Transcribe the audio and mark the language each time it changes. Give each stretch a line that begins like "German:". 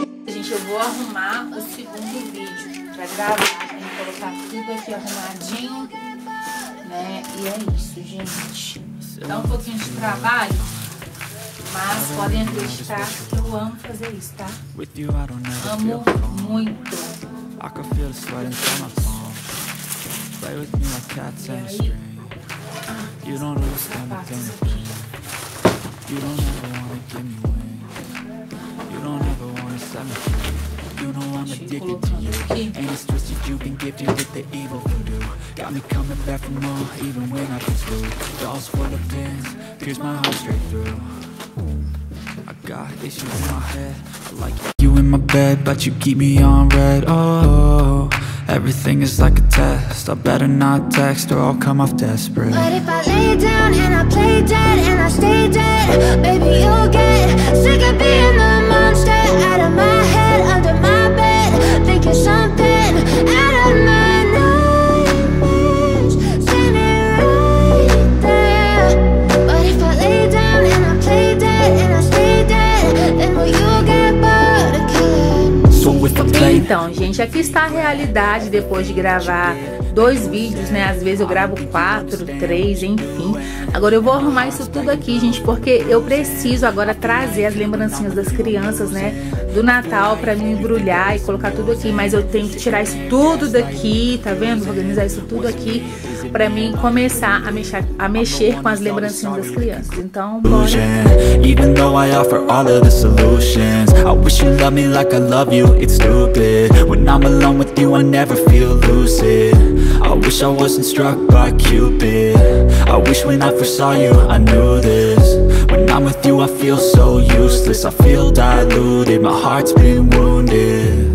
Portuguese: Gente, eu vou arrumar o segundo vídeo para gravar. Tem que colocar tudo aqui arrumadinho, né? E é isso, gente. Dá um pouquinho de trabalho, mas podem acreditar que eu amo fazer isso, tá?
English: With you, I don't ever
Portuguese: amo muito.
English: I can feel the sweat inside my palms. Play with me like cats and string. You don't understand a thing of me. You don't ever wanna give me wings. You don't ever wanna set me free. You know I'm addicted to you. And it's twisted, you've been gifted with the evil voodoo. Got me coming back for more, even when I've been screwed. Dolls full of pins, pierce my heart straight through. I got issues in my head, like you in my bed, but you keep me on red. Oh, everything is like a test. I better not text or I'll come off desperate. But if I lay down and I play dead and I stay dead, baby, you'll get sick of being the monster. Out of my head, under my bed, thinking something out of my nightmares. Standing right there. But if I lay down and I play dead and I stay dead, then will you get bored again? So if I play.
Portuguese: Então, gente, aqui está a realidade depois de gravar 2 vídeos, né? Às vezes eu gravo 4, 3, enfim. Agora eu vou arrumar isso tudo aqui, gente, porque eu preciso agora trazer as lembrancinhas das crianças, né? Do Natal pra me embrulhar e colocar tudo aqui. Mas eu tenho que tirar isso tudo daqui, tá vendo? Vou organizar isso tudo aqui pra mim começar a mexer com as lembrancinhas das crianças. Então, bora.
English: Even though I offer all of the solutions, I wish you loved me like I love you, it's stupid. When I'm alone with you, I never feel lucid. I wish I wasn't struck by Cupid. I wish when I first saw you, I knew this. When I'm with you, I feel so useless. I feel diluted, my heart's been wounded.